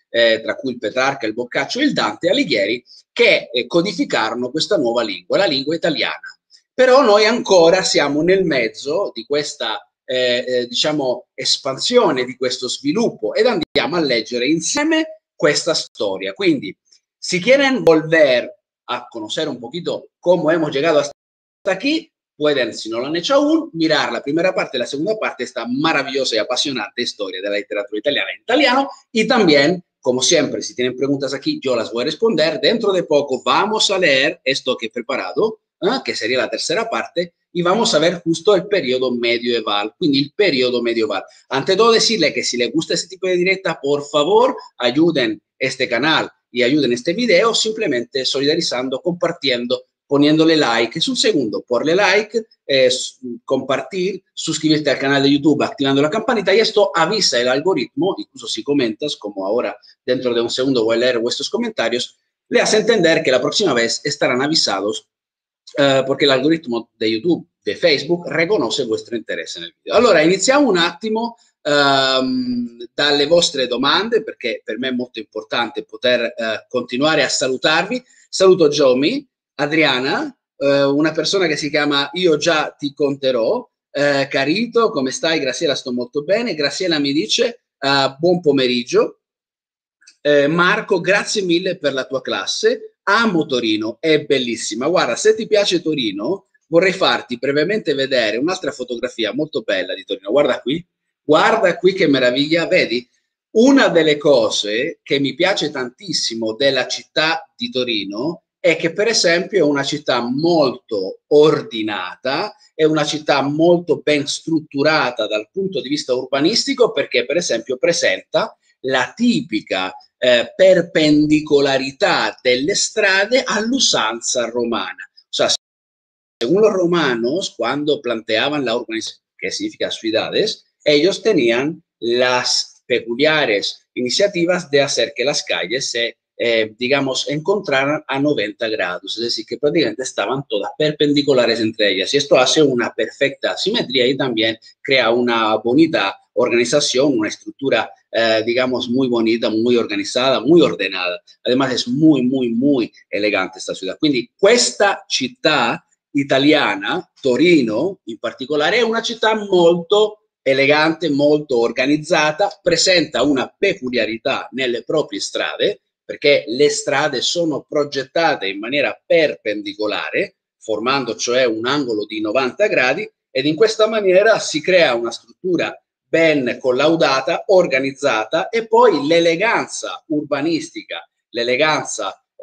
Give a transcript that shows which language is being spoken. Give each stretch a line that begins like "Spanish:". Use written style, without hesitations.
Italian: Tra cui il Petrarca, il Boccaccio e il Dante Alighieri, che codificarono questa nuova lingua, la lingua italiana. Però noi ancora siamo nel mezzo di questa, diciamo, espansione, di questo sviluppo ed andiamo a leggere insieme questa storia.
Spanish: Quindi, si quieren volver a conocer un poquito cómo hemos llegado hasta aquí, pueden, si no lo han hecho aún, mirar la primera parte y la segunda parte de esta maravillosa y apasionante historia de la literatura italiana en italiano y también. Como siempre, si tienen preguntas aquí, yo las voy a responder. Dentro de poco vamos a leer esto que he preparado, que sería la tercera parte, y vamos a ver justo el periodo medieval, quindi el periodo medieval. Ante todo, decirle que si les gusta este tipo de directa, por favor, ayuden este canal y ayuden este video simplemente solidarizando, compartiendo, poniéndole like. Es un segundo, ponle like, compartir, suscribirte al canal de YouTube activando la campanita y esto avisa el algoritmo, incluso si comentas, como ahora dentro de un segundo voy a leer vuestros comentarios, le hace entender que la próxima vez estarán avisados porque el algoritmo de YouTube, de Facebook, reconoce vuestro interés en el video.
Italian: Allora, iniziamo un attimo dalle vostre domande, perché per me è molto importante poter continuare a salutarvi. Saluto Giomi, Adriana, una persona che si chiama Io già ti conterò. Carito, come stai? Graziella, sto molto bene. Graziella mi dice buon pomeriggio. Marco, grazie mille per la tua classe. Amo Torino, è bellissima. Guarda, se ti piace Torino, vorrei farti brevemente vedere un'altra fotografia molto bella di Torino. Guarda qui che meraviglia, vedi? Una delle cose che mi piace tantissimo della città di Torino è che per esempio è una città molto ordinata, è una città molto ben strutturata dal punto di vista urbanistico perché per esempio presenta la tipica perpendicolarità delle strade all'usanza romana.
Spanish: Cioè, según los romanos, quando planteaban la urbanización,
Italian: che significa
Spanish: ciudades, ellos tenían las peculiares iniciativas de hacer que las calles se digamos, encontrar a 90 grados, es decir, que prácticamente estaban todas perpendiculares entre ellas. Y esto hace una perfecta simetría y también crea una bonita organización, una estructura, digamos, muy bonita, muy organizada, muy ordenada. Además, es muy, muy, muy elegante esta ciudad. Quindi, esta ciudad
Italian: italiana, Torino in particolare, è una città molto elegante, molto organizzata, presenta una peculiarità nelle proprie strade, perché le strade sono progettate in maniera perpendicolare, formando cioè un angolo di 90 gradi, ed in questa maniera si crea una struttura ben collaudata, organizzata, e poi l'eleganza urbanistica, l'eleganza